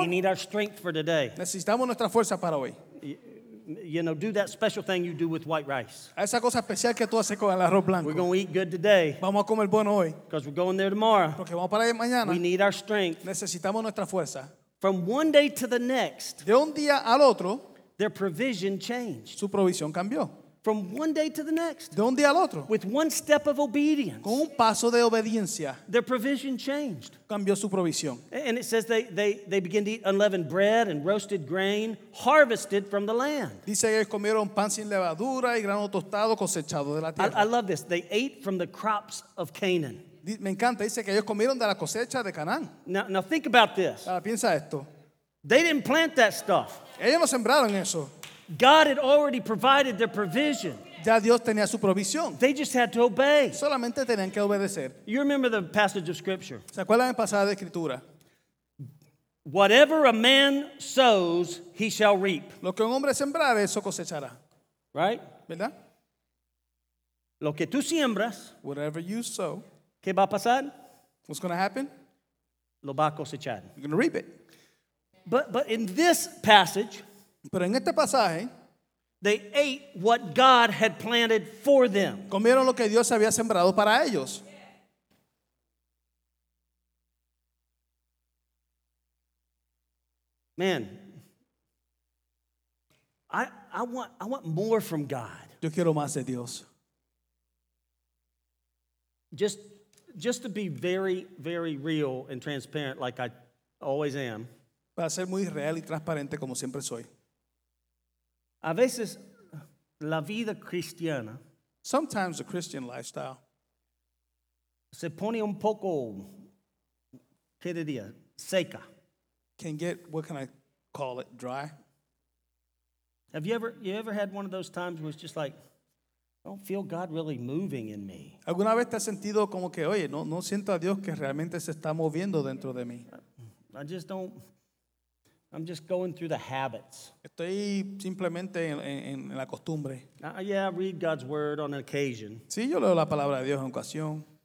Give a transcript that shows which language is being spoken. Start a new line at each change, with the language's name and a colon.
English: We need our strength for today.
Spanish: Necesitamos nuestra fuerza para hoy.
English: You know, do that special thing you do with white rice.
Spanish: Esa cosa especial que tú haces con el arroz blanco.
English: We're going to eat good today.
Spanish: Vamos a comer bueno hoy.
English: Because we're going there tomorrow.
Spanish: Porque vamos para allá mañana.
English: We need our strength.
Spanish: Necesitamos nuestra fuerza.
English: From one day to the next.
Spanish: De un día al otro.
English: Their provision changed.
Spanish: Su provisión cambió.
English: From one day to the next.
Spanish: De un día al otro.
English: With one step of obedience.
Spanish: Con un paso de obediencia.
English: Their provision changed.
Spanish: Cambió su provisión.
English: And it says they begin to eat unleavened bread and roasted grain harvested from the land.
Spanish: Dice que comieron pan sin levadura y grano tostado cosechado de la tierra.
English: I love this. They ate from the crops of Canaan.
Spanish: Me encanta. Dice que ellos comieron de la cosecha de Canaán.
English: Now think about this.
Spanish: Ahora piensa esto.
English: They didn't plant that stuff.
Spanish: Ellos no sembraron eso.
English: God had already provided their provision.
Spanish: Ya Dios tenía su provisión.
English: They just had to obey.
Spanish: Solamente tenían que obedecer.
English: You remember the passage of Scripture.
Spanish: ¿Se acuerdan el pasaje de Escritura?
English: Whatever a man sows, he shall reap.
Spanish: Lo que un hombre sembrare, eso cosechará.
English: Right?
Spanish: ¿Verdad? Lo que tú siembras.
English: Whatever you sow.
Spanish: ¿Qué va a pasar?
English: What's going to happen?
Spanish: Lo va a cosechar.
English: You're going to reap it. But in this passage.
Spanish: Pero en este pasaje,
English: They ate what God had planted for them.
Spanish: Comieron lo que Dios había sembrado para ellos.
English: Man, I want more from God.
Spanish: Yo quiero más de Dios.
English: Just to be very, very real and transparent, like I always am.
Spanish: Para ser muy real y transparente como siempre soy. A veces la vida cristiana.
English: Sometimes the Christian lifestyle.
Spanish: Se pone un poco, ¿qué diría? Seca.
English: Can get, what can I call it, dry? Have you ever had one of those times where it's just like, I don't feel God really moving in me?
Spanish: ¿Alguna vez te has sentido como que, oye, no siento a Dios que realmente se está moviendo dentro de mí?
English: I'm just going through the habits.
Spanish: Estoy simplemente en la costumbre.
English: Yeah, I read God's word on occasion.
Spanish: Sí, yo leo la palabra de Dios en ocasión.